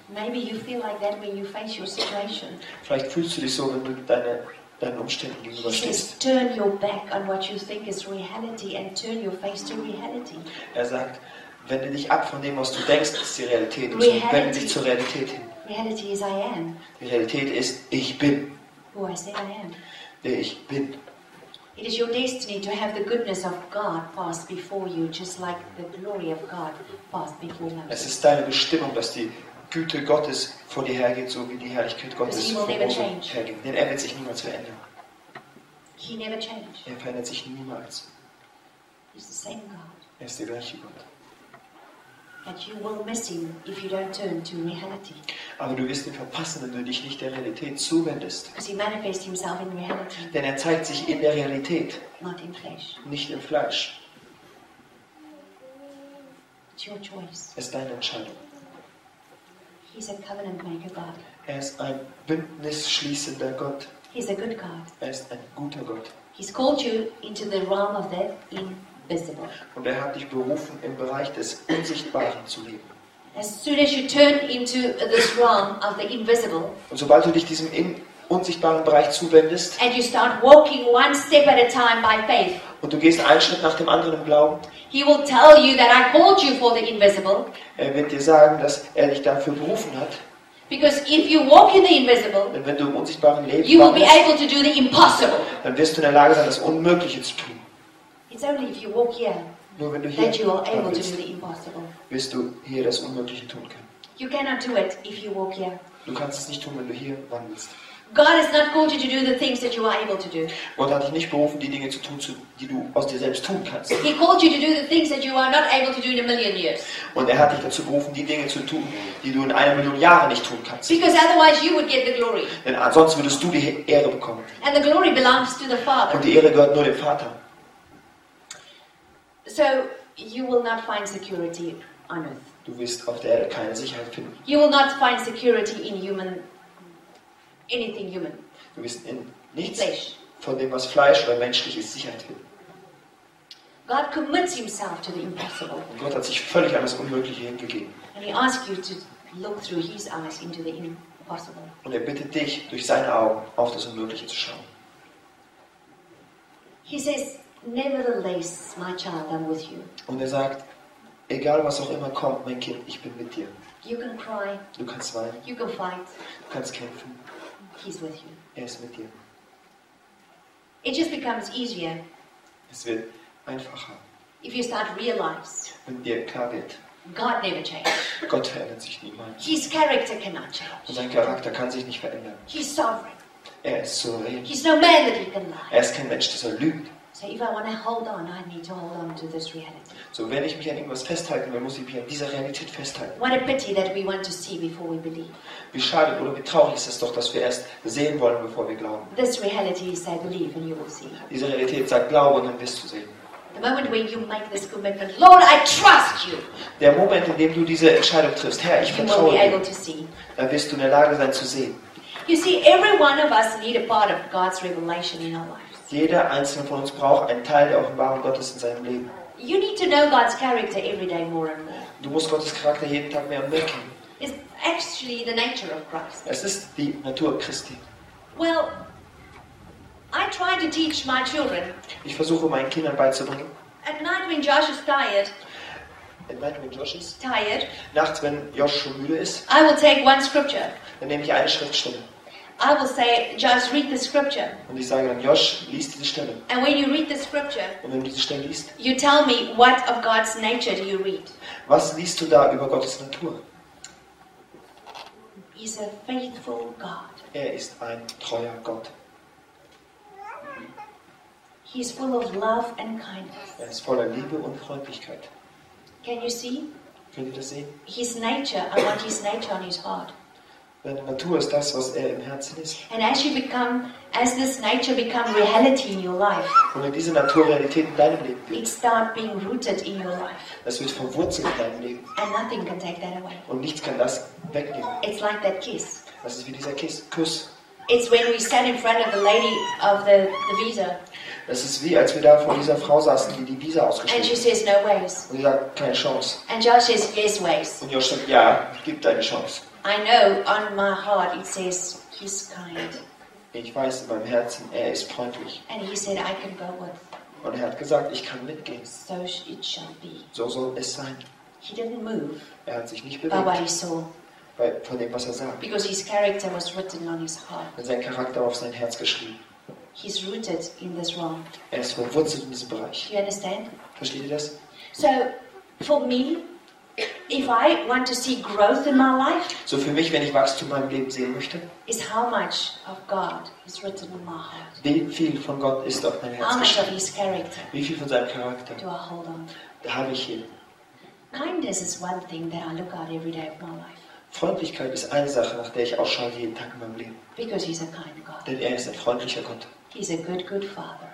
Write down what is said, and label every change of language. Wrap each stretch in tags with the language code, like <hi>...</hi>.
<en>Maybe you feel like that when you face your situation.</en> <de>Vielleicht fühlst du dich so, wenn du deinen Umständen gegenüberstehst.</de> <en>Turn your back on what you think is reality and turn your face to reality.</en> <de>Er sagt, wende dich ab von dem, was du denkst, ist die Realität, und wende dich zur Realität hin.</de> <en>Reality is I am.</en> <de>Die Realität ist, ich bin.</de> <en>Who I say I am.</en> <de>Der ich bin.</de> <en>It is your destiny to have the goodness of God pass before you, just like the glory of God passed before you.</en> <de>Es ist deine Bestimmung, dass die Güte Gottes vor dir hergeht, so wie die Herrlichkeit Gottes vor dir hergeht. Denn er wird sich niemals verändern.</de> <en>He never changed.</en> <de>Er verändert sich niemals.</de> <en>He's the same God.</en> <de>Er ist der gleiche Gott.</de> <en>And you will miss him if you don't turn to reality.</en> <de>Aber du wirst ihn verpassen, wenn du dich nicht der Realität zuwendest.</de> <en>Because he manifests himself in reality.</en> <de>Denn er zeigt sich in der Realität.</de> <en>Not in flesh.</en> <de>Nicht im Fleisch.</de> <en>It's your choice.</en> <de>Es ist deine Entscheidung.</de> <en>He's a covenant maker God.</en> <de>Er ist ein bündnisschließender Gott.</de> <en>He's a good God.</en> <de>Er ist ein guter Gott.</de> <en>He's called you into the realm of the invisible.</en> <de>Und er hat dich berufen, im Bereich des Unsichtbaren zu leben.</de> <en>As soon as you turn into this realm of the invisible.</en> <de>Und sobald du dich diesem in, unsichtbaren Bereich zuwendest.</de> <en>And you start walking one step at a time by faith.</en> <de>Und du gehst einen Schritt nach dem anderen im Glauben.</de> <en>He will tell you that I called you for the invisible.</en> <de>Er wird dir sagen, dass er dich dafür berufen hat.</de> <en>Because if you walk in the invisible,</en> <de>denn wenn du im unsichtbaren Leben</de> <en>you will be able to do the impossible.</en> <de>Dann wirst du in der Lage sein, das Unmögliche zu tun.</de> <en>It's only if you walk here,</en> <de>nur wenn du</de> <en>hier that you are able to do the impossible.</en> <de>Wirst du hier das Unmögliche tun können.</de> <en>You cannot do it if you walk here.</en> <de>Du kannst es nicht tun, wenn du hier wandelst.</de> <en>God has not called you to do the things that you are able to do.</en> <de>Gott hat dich nicht berufen, die Dinge zu tun, die du aus dir selbst tun kannst.</de> <en>He called you to do the things that you are not able to do in a million years.</en> <de>Und er hat dich dazu berufen, die Dinge zu tun, die du in einer Million Jahren nicht tun kannst.</de> <en>Because otherwise you would get the glory.</en> <de>Denn ansonsten würdest du die Ehre bekommen.</de> <en>And the glory belongs to the Father.</en> <de>Und die Ehre gehört nur dem Vater.</de> <en>So you will not find security on earth.</en> <de>Du wirst auf der Erde keine Sicherheit finden.</de> <en>You will not find security in human. Anything human.</en> <de>Du wirst in nichts Flesh. Von dem, was Fleisch oder menschlich ist, Sicherheit geben.</de> <en>God commits himself to the impossible.</en> <de>Und Gott hat sich völlig an das Unmögliche hingegeben.</de> <en>And he asks you to look through his eyes into the impossible.</en> <de>Und er bittet dich, durch seine Augen auf das Unmögliche zu schauen.</de> <en>He says, "Nevertheless, my child, I'm with you."</en> <de>Und er sagt, egal was auch immer kommt, mein Kind, ich bin mit dir.</de> <en>You can cry.</en> <de>Du kannst weinen.</de> <en>You can fight.</en> <de>Du kannst kämpfen.</de> <en>He's with you.</en> <de>Er ist mit dir.</de> <en>It just becomes easier.</en> <de>Es wird einfacher.</de> <en>If you start realize.</en> <de>Wenn dir klar wird.</de> <en>God never changes.</en> <de>Gott verändert sich niemals.</de> <en>His character cannot change.</en> <de>Und sein Charakter kann sich nicht verändern.</de> <en>He's sovereign.</en> <de>Er ist souverän.</de> <en>He's no man that he can lie.</en> <de>Er ist kein Mensch, der so lügt.</de> <en>So if I want to hold on, I need to hold on to this reality.</en> <de>So wenn ich mich an irgendwas festhalten will, muss ich mich an dieser Realität festhalten.</de> <en>What a pity that we want to see before we believe.</en> <de>Wie schade oder wie traurig ist es doch, dass wir erst sehen wollen, bevor wir glauben.</de> <en>This reality is I believe and you will see.</en> <de>Diese Realität sagt glaube und dann wirst du sehen.</de> <en>The moment when you make this commitment, Lord, I trust you.</en> <de>Der Moment, in dem du diese Entscheidung triffst, Herr, ich vertraue dir.</de> <en>You will be able to see.</en> <de>Da wirst du in der Lage sein zu sehen.</de> <en>You see, every one of us need a part of God's revelation in our life.</en> <de>Jeder einzelne von uns braucht einen Teil der Offenbarung Gottes in seinem Leben.</de> <en>You need to know God's character every day more and more.</en> <de>Du musst Gottes Charakter jeden Tag mehr und mehr kennen.</de> <en>It's actually the nature of Christ.</en> <de>Es ist die Natur Christi.</de> <en>Well, I try to teach my children.</en> <de>Ich versuche meinen Kindern beizubringen.</de> <en>At night when Josh is tired. At night when Josh is tired.</en> <de>Nachts wenn Josh schon müde ist.</de> <en>I will take one scripture.</en> <de>Dann nehme ich eine Schriftstelle.</de> <en>I will say, Josh, read the scripture.</en> <de>Und ich sage dann, Josh, lies diese Stelle.</de> <en>And when you read the scripture,</en> <de>und wenn du diese Stelle liest,</de> <en>you tell me, what of God's nature do you read?</en> <de>Was liest du da über Gottes Natur?</de> <en>He's a faithful God.</en> <de>Er ist ein treuer Gott.</de> <en>He's full of love and kindness.</en> <de>Er ist voller Liebe und Freundlichkeit.</de> <en>Can you see?</en> <de>Könnt ihr das sehen?</de> <en>His nature, I want his nature on his heart.</en> <de>Deine Natur ist das, was er im Herzen ist.</de> <en>And as you become, as this nature become reality in your life,</en> <de>und wenn diese Natur Realität in deinem Leben wird,</de> <en>it start being rooted in your life.</en> <de>Es wird verwurzelt in deinem Leben.</de> <en>And nothing can take that away.</en> <de>Und nichts kann das wegnehmen.</de> <en>It's like that kiss.</en> <de>Das ist wie dieser Kuss.</de> <en>It's when we stand in front of the lady of the visa.</en> <de>Das ist wie, als wir da vor dieser Frau saßen, die Visa ausgestellt hat.</de> <en>And she says no ways.</en> <de>Und sie sagt keine Chance.</de> <en>And Josh says yes ways.</en> <de>Und Josh sagt ja, gib deine Chance.</de> <en>I know on my heart it says he's kind.</en> <de>Ich weiß in meinem Herzen, er ist freundlich.</de> <en>And he said I can go with.</en> <de>Und er hat gesagt, ich kann mitgehen.</de> <en>So it shall be.</en> <de>So soll es sein.</de> <en>He didn't move.</en> <de>Er hat sich nicht bewegt.</de> <en>By what he saw.</en> <de>Von dem, was er sah.</de> <en>Because his character was written on his heart.</en> <de>Und sein Charakter auf sein Herz geschrieben.</de> <en>He's rooted in this realm.</en> <de>Er ist verwurzelt in diesem Bereich.</de> <en>You understand?</en> <de>Versteht ihr das?</de> <en>So for me, if I want to see growth in my life,</en> <de>so für mich, wenn ich Wachstum in meinem Leben sehen möchte,</de> <en>is how much of God is written in my heart.</en> <de>Wie viel von Gott ist auf meinem Herzen?</de> <en>How much of his character?</en> <de>Wie viel von seinem Charakter?</de> <en>Do I hold on?</en> <de>Da habe ich ihn.</de> <en>Kindness is one thing that I look at every day of my life.</en> <de>Freundlichkeit ist eine Sache, nach der ich ausschaue jeden Tag in meinem Leben.</de> <en>Because he's a kind God.</en> <de>Denn er ist ein freundlicher Gott.</de> <en>He's a good, good father.</en>